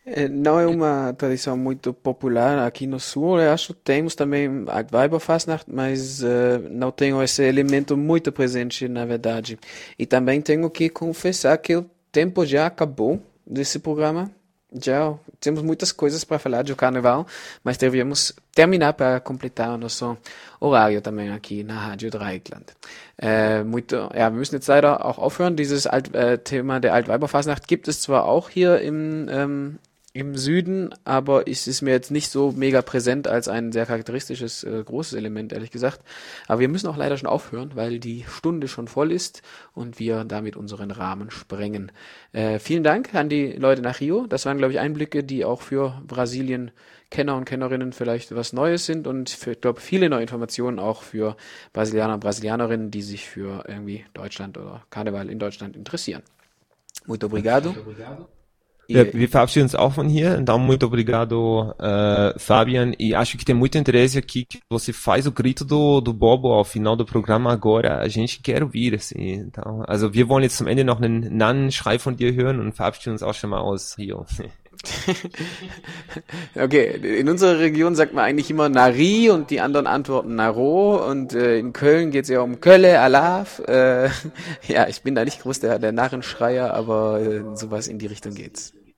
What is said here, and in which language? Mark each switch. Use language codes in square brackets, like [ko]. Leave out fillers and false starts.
[pt] Não é uma tradição muito popular aqui no sul, eu acho que temos também a Weiberfastnacht, mas não tenho esse elemento muito presente, na verdade. E também tenho que confessar que o tempo já acabou desse programa, já temos muitas coisas para falar do carnaval, mas devíamos terminar para completar o nosso horário também aqui na Rádio Dreieckland. [de] Wir müssen jetzt leider auch aufhören. Dieses Thema der Altweiberfasnacht gibt es zwar auch hier im im Süden, aber es ist mir jetzt nicht so mega präsent als ein sehr charakteristisches großes Element, ehrlich gesagt. Aber wir müssen auch leider schon aufhören, weil die Stunde schon voll ist und wir damit unseren Rahmen sprengen. Vielen Dank an die Leute nach Rio. Das waren, glaube ich, Einblicke, die auch für Brasilien-Kenner und Kennerinnen vielleicht was Neues sind und für, glaube ich, viele neue Informationen auch für Brasilianer und Brasilianerinnen, die sich für irgendwie Deutschland oder Karneval in Deutschland interessieren. [pt] Muito obrigado. [de] Ja, wir verabschieden uns auch von hier. [pt] Então, muito obrigado, Fabian. E acho que tem muito interesse aqui que você faz o grito do Bobo ao final do programa agora. A gente quer ouvir, assim. [de] Então, also, wir wollen jetzt zum Ende noch einen Nannenschrei von dir hören und verabschieden uns auch schon mal aus Rio. Okay, in unserer Region sagt man eigentlich immer Nari und die anderen antworten Naro und in Köln geht es ja um Kölle, Alaf. Ja, ich bin da nicht groß der Narrenschreier, aber sowas in die Richtung geht's.